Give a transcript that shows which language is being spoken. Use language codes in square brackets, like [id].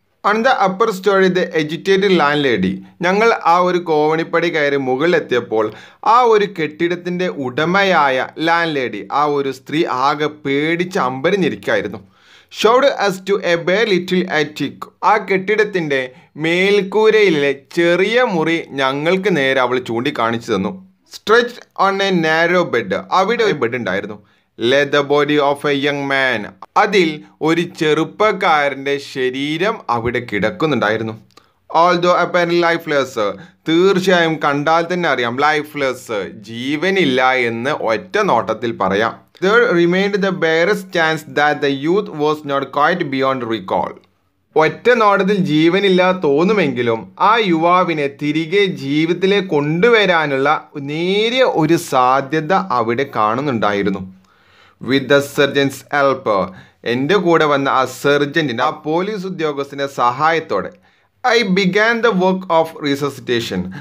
[en] On the upper storey the agitated landlady. [ml] ഞങ്ങൾ ആ ഒരു കോവണിപ്പടി കയറി മുകളിലെത്തിയപ്പോൾ ആ ഒരു കെട്ടിടത്തിൻ്റെ ഉടമയായ ലാൻഡ് ലേഡി, ആ ഒരു സ്ത്രീ, ആകെ പേടിച്ച് അമ്പരിഞ്ഞിരിക്കായിരുന്നു. [en] Showed us to a bare little attic. [ml] ആ കെട്ടിടത്തിൻ്റെ മേൽക്കൂരയിലെ ചെറിയ മുറി ഞങ്ങൾക്ക് നേരെ അവൾ ചൂണ്ടിക്കാണിച്ചു തന്നു. [en] Stretch on a narrow bed. [ml] അവിടെ ഒരു ബെഡ് ഉണ്ടായിരുന്നു. [en] Lay the body of a young man. [ml] അതിൽ ഒരു ചെറുപ്പക്കാരൻ്റെ ശരീരം അവിടെ കിടക്കുന്നുണ്ടായിരുന്നു. [en] Although apparently lifeless. [ml] തീർച്ചയായും കണ്ടാൽ തന്നെ അറിയാം, lifeless, ജീവനില്ല എന്ന് ഒറ്റ നോട്ടത്തിൽ പറയാം. [en] There remained the barest chance that the youth was not quite beyond recall. [ml] ഒറ്റ നോട്ടത്തിൽ ജീവനില്ല തോന്നുമെങ്കിലും ആ യുവാവിനെ തിരികെ ജീവിതത്തിലേക്ക് കൊണ്ടുവരാനുള്ള നേരിയ ഒരു സാധ്യത അവിടെ കാണുന്നുണ്ടായിരുന്നു. [en] With the surgeon's help. [ml] എൻ്റെ കൂടെ വന്ന ആ സർജൻറ്റിൻ്റെ, ആ പോലീസ് ഉദ്യോഗസ്ഥൻ്റെ സഹായത്തോടെ [en] I began the work of resuscitation.